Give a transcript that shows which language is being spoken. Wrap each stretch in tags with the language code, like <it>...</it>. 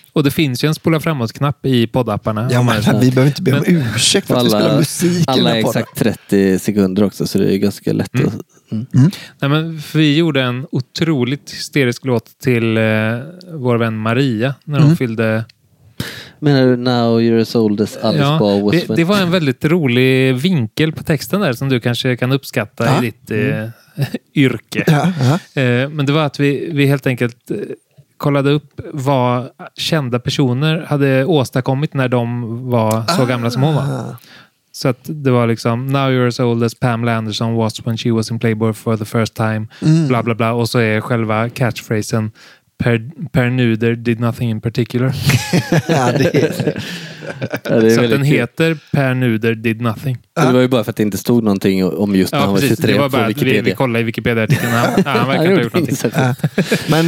<sv>Och det finns ju en spola framåt-knapp i poddapparna. Ja, men vi behöver inte be om ursäkt för alla, att vi spelar musik. Alla är exakt 30 sekunder också, så det är ganska lätt. Mm. Att, Nej, men vi gjorde en otroligt hysterisk låt till vår vän Maria när hon fyllde... Menar du,</sv> <en>now you're as old as Alice Ball was.</en> <sv>Det var en väldigt rolig vinkel på texten där som du kanske kan uppskatta i ditt yrke. Ja. Men det var att vi helt enkelt kollade upp vad kända personer hade åstadkommit när de var så gamla som hon var. Så att det var liksom,</sv> <en>now you're as old as Pamela Anderson was when she was in Playboy for the first time, bla bla bla.</en> <sv>Och så är själva catchphrasen,</sv> <en>Per Nuder did nothing in particular.</en> <sv>Ja, det är så att den heter</sv> <en>Per Nuder did nothing.</en> <sv>Det var ju bara för att det inte stod någonting om just när han var 23 på Wikipedia. Det var bara att vi kollade i Wikipedia-artikeln. Ja, han verkar inte ha gjort någonting.</sv>